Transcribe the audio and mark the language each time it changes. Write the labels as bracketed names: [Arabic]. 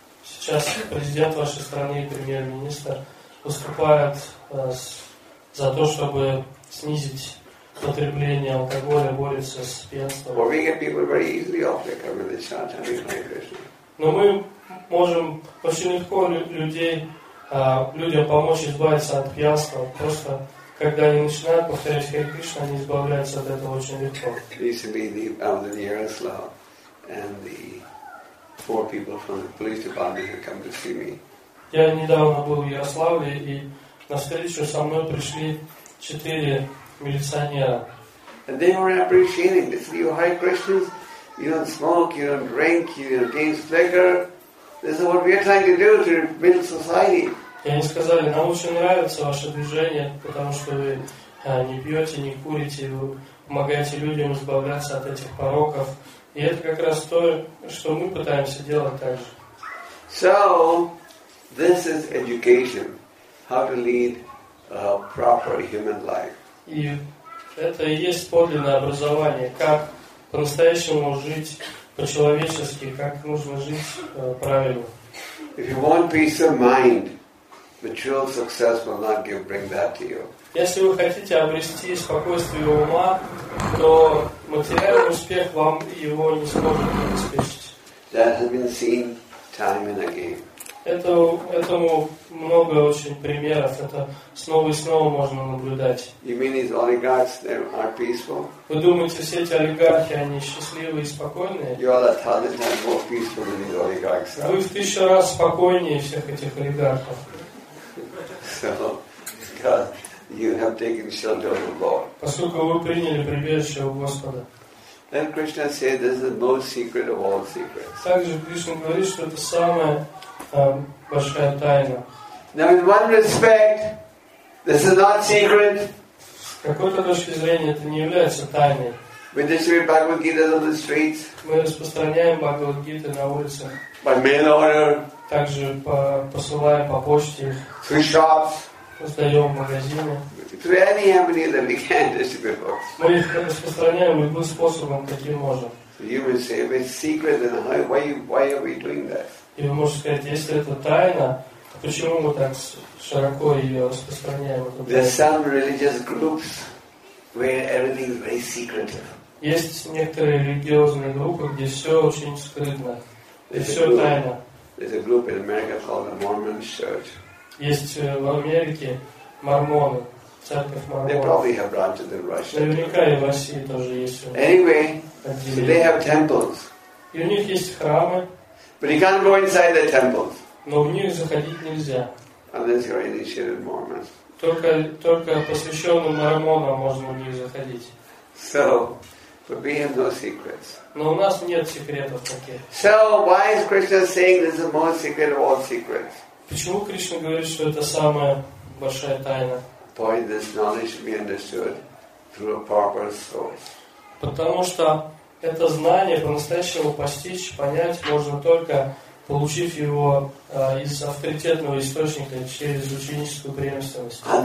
[Russian] Сейчас президент вашей страны и премьер-министр выступают за то, чтобы снизить потребление алкоголя, борется с пьянством. [English] Well, we get people very easily off liquor when they start having high pressure. [Russian] Но мы можем очень легко людям помочь избавиться от пьянства. Просто когда они начинают повторять Хари Кришна, они избавляются от этого очень легко. [English] Recently, the nearest law and the 4 people from the police department have come to see me. [Russian] Я недавно был в Ярославле, и на встречу со мной пришли 4 [English] And they were appreciating this. You high Christians, you don't smoke, you don't drink, you don't taste liquor. This is what we are trying to do to build society. [Russian] И они сказали, нам очень нравится ваше движение, потому что вы не пьете, не курите, вы помогаете людям избавляться от этих пороков. И это как раз то, что мы пытаемся делать также. [English] So, this is education. How to lead a proper human life. [Russian] И это и есть подлинное образование, как по-настоящему жить по-человечески, как нужно жить правильно. [English] If you want peace of mind, material success will not give bring that to you. [Russian] Если вы хотите обрести спокойствие ума, то материальный успех вам его не сможет обеспечить. [English] That has been seen time and again. [Russian] Этому много очень примеров. Это снова и снова можно наблюдать. [English] You mean these oligarchs, they are peaceful? [Russian] Вы думаете, все эти олигархи, они счастливые и спокойные? [English] You are 1,000 times more peaceful than these oligarchs. [Russian] Вы в 1,000 раз спокойнее всех этих олигархов. [English] So, God, you have taken shelter of the Lord. [Russian] Поскольку вы приняли прибежище у Господа. [English] Then Krishna said, "This is the most secret of all secrets." [Russian] Также Кришна говорит, что это самое большая тайна. [English] Now, in one respect, this is not secret. [Russian] С какой-то точки зрения это не является тайной. [English] We distribute Bhagavad Gita on the streets. [Russian] Мы распространяем Бхагавад Гиту на улицах. [English] By mail order. [Russian] Также посылаем по почте. [English] Through shops. [Russian] Раздаем в магазинах. [English] Through any avenue that we can distribute books. [Russian] Мы их распространяем любым способом, каким можем. [English] So you would say, if it's secret, then why are we doing that? [Russian] И вы можете сказать, если это тайна, то почему мы так широко ее распространяем? [English] There are some religious groups where everything is very secretive. [Russian] Есть некоторые религиозные группы, где все очень скрытно. И все тайно. [English] There's a group in America called the Mormon Church. [Russian] Есть в Америке мормоны, церковь мормонов. [English] They probably have branches in Russia. [Russian] Наверняка и в России тоже есть. [English] Anyway, so they have temples. [Russian] И у них есть храмы. [English] But you can't go inside the temples. [Russian] Но в них заходить нельзя. [English] Unless you're initiated Mormon. [Russian] Только посвященным мормонам можно в них заходить. [English] So, but we have no secrets. [Russian] Но у нас нет секретов таких. [English] So, why is Krishna saying this is the most secret of all secrets? [Russian] Почему Кришна говорит, что это самая большая тайна? [English] Why this knowledge should be understood through a proper source. [Russian] Потому что это знание по-настоящему постичь, понять можно только получив его из авторитетного источника через ученическую преемственность.